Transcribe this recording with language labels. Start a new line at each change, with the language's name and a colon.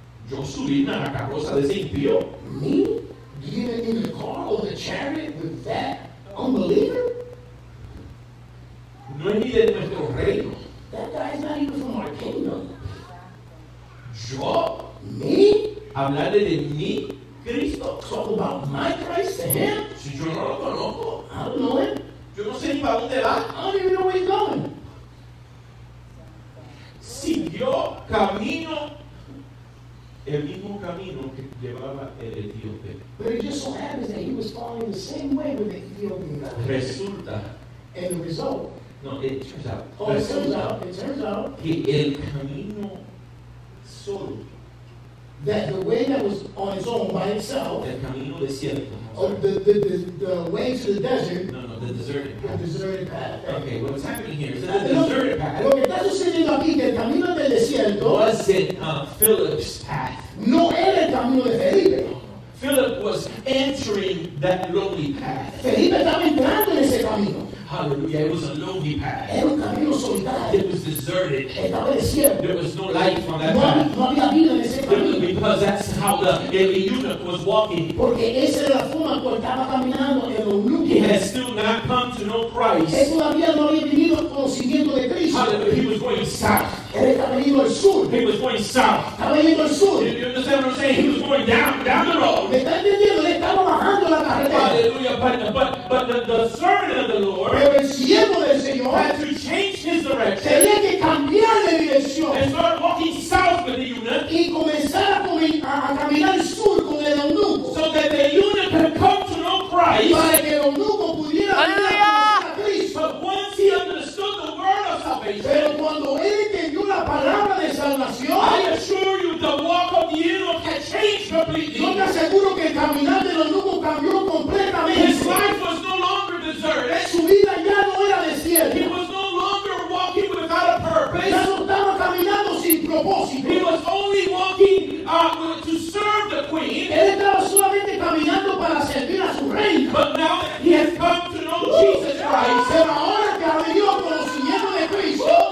Spanish: Yo subí en la carroza de ese impío.
English: Me? Getting in the car or the chariot with that unbeliever?
Spanish: No es ni de nuestro reino.
English: That guy is not even from our kingdom.
Spanish: Yo?
English: Me?
Spanish: Hablarle de mi Cristo.
English: Talk about my Christ to him?
Spanish: Si yo no lo conozco.
English: I don't know him.
Spanish: Yo no sé ni para dónde va.
English: I don't even know where he's going.
Spanish: Siguió camino. El mismo camino que llevaba el etíope.
English: But it just so happens that he was following the same way with the Ethiopian guy.
Spanish: Resulta.
English: And the result. No, it turns out. Oh, it turns out.
Spanish: Que el camino solo.
English: That the way that was on its own by itself.
Spanish: El camino desierto.
English: Oh, the way to the desert. No, the deserted path. The deserted path. Okay, what's happening here is that the deserted path.
Spanish: Lo que está sucediendo aquí, que el camino del desierto.
English: Wasn't Philip's path.
Spanish: No era el camino de Felipe.
English: Philip was entering that lonely path.
Spanish: Felipe estaba entrando en ese camino.
English: Hallelujah, it was a lonely path.
Spanish: Era un camino solitario.
English: It was deserted.
Spanish: Estaba desierto.
English: There was no life on that no, path.
Spanish: No había vida en ese camino.
English: Because that's how the eunuch was walking.
Spanish: Porque esa era la forma como estaba caminando el eunuco.
English: He had still not come to know Christ.
Spanish: Él todavía no había venido al conocimiento de Cristo.
English: Hallelujah, he was going south.
Spanish: Él estaba yendo al sur.
English: He was going south.
Spanish: Estaba yendo al sur.
English: You understand what I'm saying? He was going down the road.
Spanish: ¿Me está entendiendo? Le estaba bajando la carretera.
English: Hallelujah, but the servant of the Lord.
Spanish: Pero el siervo del Señor
English: had to change his direction.
Spanish: Tenía que cambiar de dirección.
English: And start walking south with the eunuch.
Spanish: Y comenzar a caminar sur con el eunuco.
English: So that the eunuch could come to know Christ.
Spanish: Para que el eunuco pudiera venir a Cristo.
English: But once he understood the word of salvation.
Spanish: Pero cuando él entendió la palabra de salvación.
English: I assure you the walk of the eunuch had changed completely.
Spanish: Yo te aseguro que el caminar del eunuco cambió completamente.
English: His life was no longer.
Spanish: Su vida ya no era desierto.
English: He was no longer walking without a purpose.
Spanish: Ya no estaba caminando sin propósito.
English: He was only walking to serve the queen.
Spanish: Él estaba solamente caminando para servir a su reina.
English: But now he has come to know Jesus Christ.
Spanish: Pero ahora que ha venido conociendo de Cristo,